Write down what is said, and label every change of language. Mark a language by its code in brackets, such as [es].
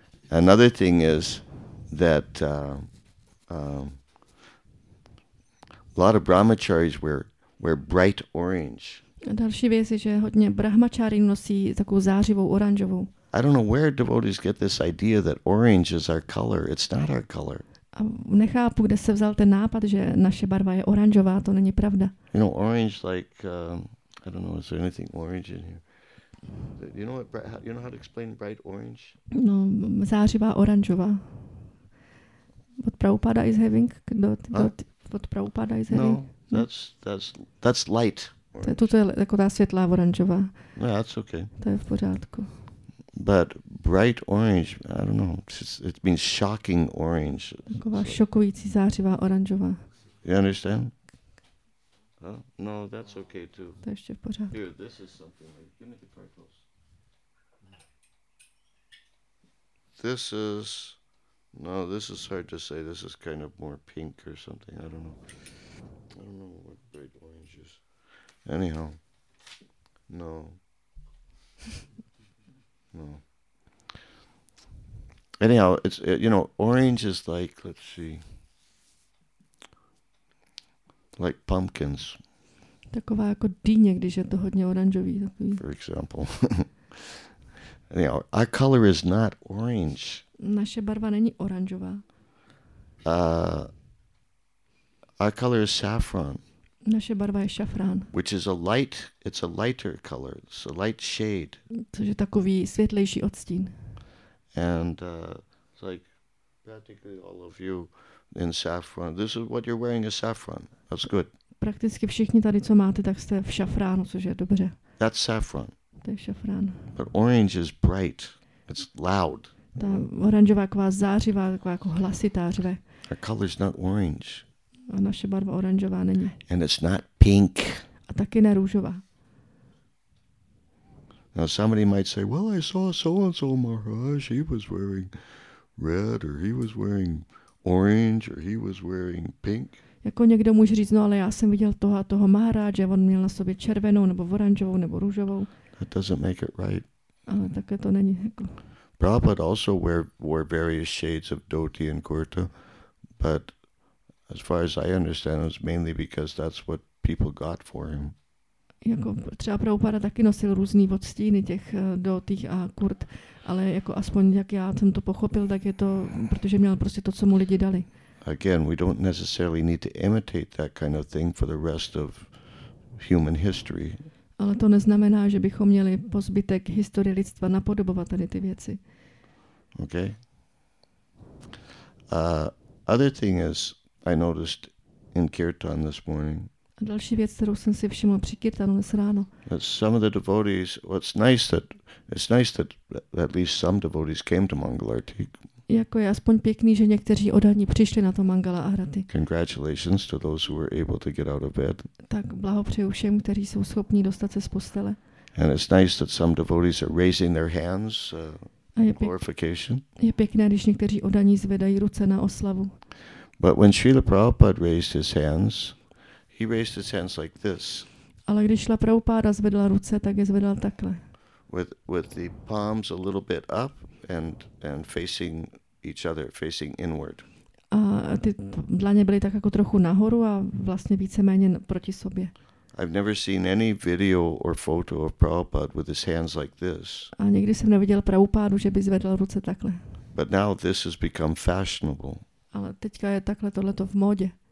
[en] Another thing is that a lot of brahmacharis wear bright orange. [cs] Další věc je, že hodně brahmačáry nosí takovou zářivou oranžovou. [en] I don't know where devotees get this idea that orange is our color. It's not our color. [cs] A nechápu, kde se vzal ten nápad, že naše barva je oranžová, to není pravda. [en] You know, orange like I don't know, is there anything orange in here? You know what, you know how to explain bright orange? [cs] No, zářivá oranžová. [en] What Prabhupada is having? What Prabhupada is having? No, that's light. [cs] To je jako ta světlá oranžová. [en] No, that's okay. [cs] To je v pořádku. [en] But bright orange, I don't know, it means shocking orange. [cs] Taková šokující zářivá oranžová. [en] You understand? Huh? No, that's okay too. [cs] To je ještě v pořádku. [en] Here, this is something like, give me the cartels. This is, no, this is hard to say, this is kind of more pink or something, I don't know. I don't know what bright orange is. Anyhow, no. No. Anyhow, orange is like, let's see, like pumpkins. [cs] Taková jako dýně, když je to hodně oranžový. Takový. [en] For example. Anyhow, our color is not orange. [cs] Naše barva není oranžová. [en] Our color is saffron. [cs] Naše barva je šafrán. [en] Which is a light, it's a lighter color, it's a light shade. [cs] Což je takový světlejší odstín. [en] And it's like practically all of you in saffron. This is what you're wearing is saffron. That's good. [cs] Prakticky všichni tady, co máte, tak jste v šafránu, což je dobře. [en] That's saffron. [cs] To je šafrán. [en] But orange is bright. It's loud. [cs] Ta oranžová taková zářivá, taková jako hlasitá řve. [en] Her color is not orange. [cs] A naše barva oranžová není. [en] And it's not pink. [cs] A taky ne růžová. [en] Now somebody might say, well, I saw so-and-so Maharaj, he was wearing red, or he was wearing orange, or he was wearing pink. [cs] Jako někdo může říct, no ale já jsem viděl toho a toho Maharaja, on měl na sobě červenou, nebo oranžovou, nebo růžovou. [en] That doesn't make it right. [cs] Ale také to není. Jako. [en] Prabhupada also wore various shades of dhoti and kurta, but as far as I understand, it's mainly because that's what people got for him. [cs] Jako třeba Prabhupada taky nosil různý odstíny těch do těch a kurt, ale jako aspoň jak já jsem to pochopil, tak je to, protože měl prostě to, co mu lidi dali. [en] again, we don't necessarily need to imitate that kind of thing for the rest of human history. [cs] Ale to neznamená, že bychom měli po zbytek historie lidstva napodobovat tady ty věci. [en] Okay. Other thing is, I noticed in kirtan this morning. [cs] A další věc, kterou jsem si všiml při kirtanu dnes ráno. [en] Some of the devotees, well, it's nice that at least some devotees came to Mangalarti. [cs] Jako je aspoň pěkný, že někteří odaní přišli na to Mangala Arati. [en] Congratulations to those who were able to get out of bed. [cs] Tak blahopřeju všem, kteří jsou schopní dostat se z postele. [en] And it's nice that some devotees are raising their hands. Glorification. [cs] Je pěkné, když někteří odaní zvedají ruce na oslavu. [en] But when Srila Prabhupada raised his hands, he raised his hands like this. [cs] Ale když Srila Prabhupada zvedla ruce, tak je zvedla takhle. [en] With the palms a little bit up and facing each other, facing inward. [cs] A ty dlaně byly tak jako trochu nahoru a vlastně víceméně proti sobě. [en] I've never seen any video or photo of Prabhupada with his hands like this. [cs] A nikdy jsem neviděl Prabhupádu, že by zvedl ruce takhle. [en] But now this has become fashionable. [cs] Ale teďka je takhle tohleto v modě.